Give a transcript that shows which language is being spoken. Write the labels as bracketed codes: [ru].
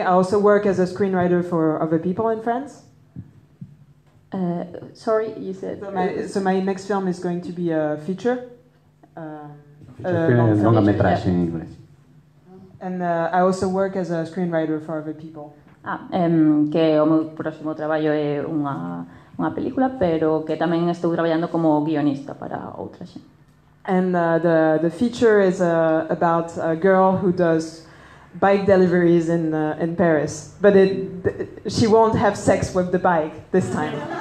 [en] I also work as a screenwriter for other people in France. Sorry, you said. So my next film is going to be a feature. [gl] Longa metraxe [en] in English. And I also work as a screenwriter for other people. [gl] Que o meu próximo traballo é unha película, pero que tamén estou traballando como guionista para outra xente. [en] And the feature is about a girl who does bike deliveries in Paris, but she won't have sex with the bike this time.